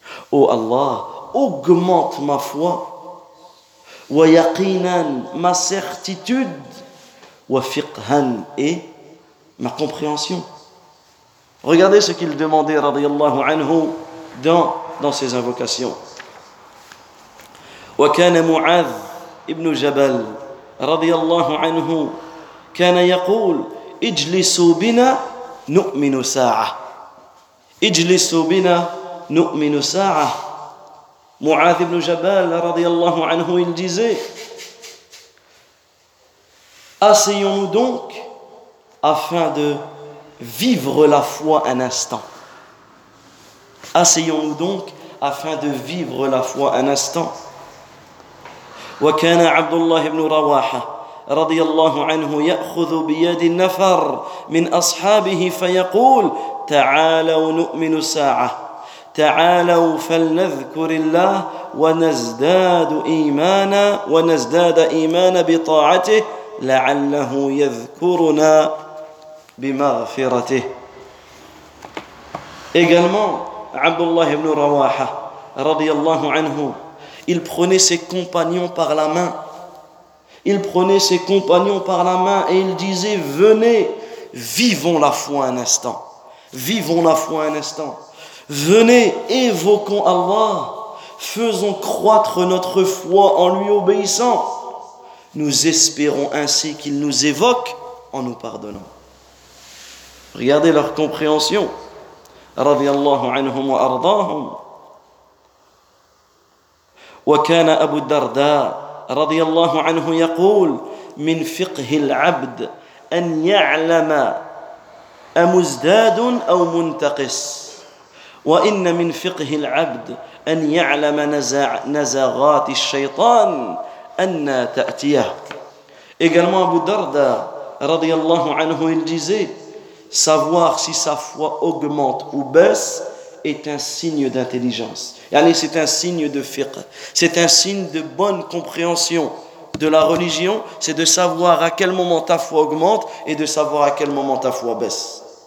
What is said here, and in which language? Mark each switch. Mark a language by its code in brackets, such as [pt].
[fr] Ô Allah, augmente ma foi. [ar] Wa yaqinan, [fr] ma certitude. [ar] Wa fiqhan, [fr] et ma compréhension. Regardez ce qu'il demandait, [ar] radiyallahu anhu, [fr] dans ses invocations. [ar] Wa kana Mu'adh ibn Jabal رضي الله عنه كان يقول اجلسوا بنا نؤمن ساعة اجلسوا بنا نؤمن ساعة. معاذ بن جبال رضي الله عنه [fr] il disait asseyons-nous donc afin de vivre la foi un instant. Asseyons-nous donc afin de vivre la foi un instant. [ar] وكان عبد الله بن رواحة رضي الله عنه يأخذ بيد النفر من أصحابه فيقول تعالوا نؤمن ساعة تعالوا فلنذكر الله ونزداد إيمانا ونزداد إيمانا بطاعته لعله يذكرنا بمغفرته. [fr] Également [ar] عبد الله بن رواحة رضي الله عنه, [fr] il prenait ses compagnons par la main. Il prenait ses compagnons par la main et il disait, venez, vivons la foi un instant. Vivons la foi un instant. Venez, évoquons Allah. Faisons croître notre foi en lui obéissant. Nous espérons ainsi qu'il nous évoque en nous pardonnant. Regardez leur compréhension. [ar] Radiallahu anhum wa ardahum. وكان أبو الدرداء رضي الله عنه يقول من فقه العبد أن يعلم أمزداد أو منتقص وإن من فقه العبد أن يعلم نزغات الشيطان أن تأتيه. [fr] Également [ar] أبو الدرداء رضي الله عنه [fr] il disait savoir si sa foi augmente ou baisse est un signe d'intelligence. C'est un signe de fiqh. C'est un signe de bonne compréhension de la religion. C'est de savoir à quel moment ta foi augmente et de savoir à quel moment ta foi baisse.